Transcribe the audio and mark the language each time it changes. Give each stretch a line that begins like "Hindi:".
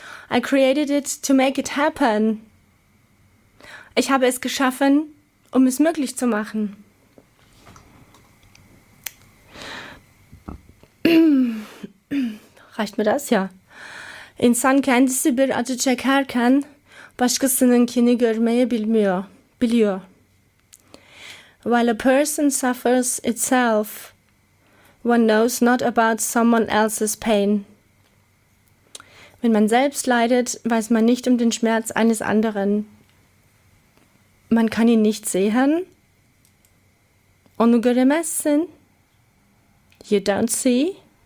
English: I created it to make it happen!
German: Ich habe es geschaffen, um es möglich zu machen. Reicht mir das? Ja.
Turkish: İnsan kendisi bir acı çekerken başkasınınkini görmeye biliyor.
English: While a person suffers itself, one knows not about someone else's pain.
German: Wenn man selbst leidet, weiß man nicht um den Schmerz eines anderen. Man kann ihn nicht sehen.
Turkish: Onu göremezsin.
English: You don't see.